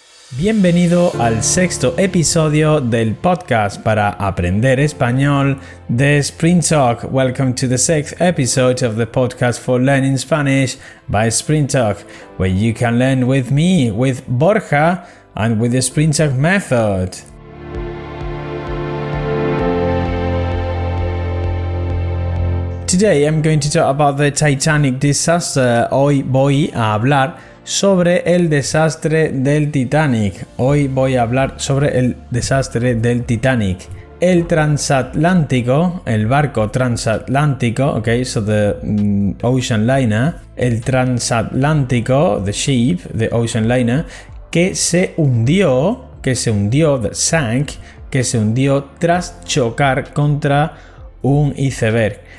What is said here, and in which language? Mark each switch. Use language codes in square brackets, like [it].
[es] Bienvenido al sexto episodio del podcast para aprender español de Sprint Talk. [en] Welcome to the sixth episode of the podcast for learning Spanish by Sprint Talk, where you can learn with me, with Borja, and with the Sprint Talk method. Today I'm going to talk about the Titanic disaster. [es] Hoy voy a hablar sobre el desastre del Titanic. Hoy voy a hablar sobre el desastre del Titanic. El transatlántico, el barco transatlántico, [en] okay, so the ocean liner, [es] el transatlántico, [en] the ship, the ocean liner, [es] que se hundió tras chocar contra un iceberg.